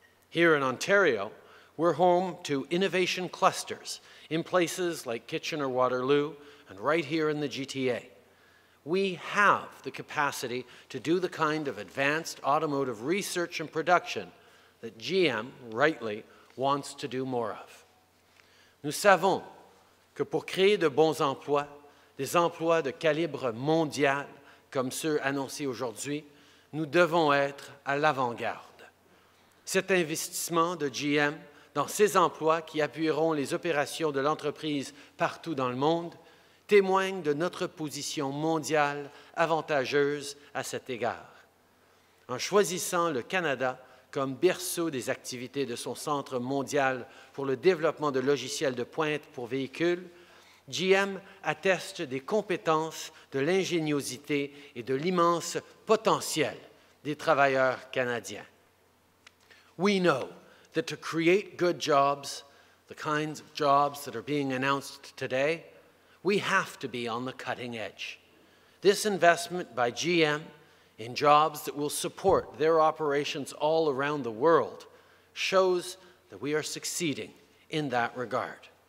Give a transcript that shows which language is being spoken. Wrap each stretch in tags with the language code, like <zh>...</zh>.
<en>Here in Ontario, we're home to innovation clusters in places like Kitchener-Waterloo and right here in the GTA. We have the capacity to do the kind of advanced automotive research and production that GM, rightly, wants to do more of.</en> <fr>Nous savons que pour créer de bons emplois, des emplois de calibre mondial comme ceux annoncés aujourd'hui, nous devons être à l'avant-garde. Cet investissement de GM dans ces emplois qui appuieront les opérations de l'entreprise partout dans le monde témoigne de notre position mondiale avantageuse à cet égard. En choisissant le Canada comme berceau des activités de son Centre mondial pour le développement de logiciels de pointe pour véhicules, GM atteste des compétences, de l'ingéniosité et de l'immense potentiel des travailleurs canadiens.</fr> <en>We know that to create good jobs, the kinds of jobs that are being announced today, we have to be on the cutting edge. This investment by GM in jobs that will support their operations all around the world, shows that we are succeeding in that regard.</en>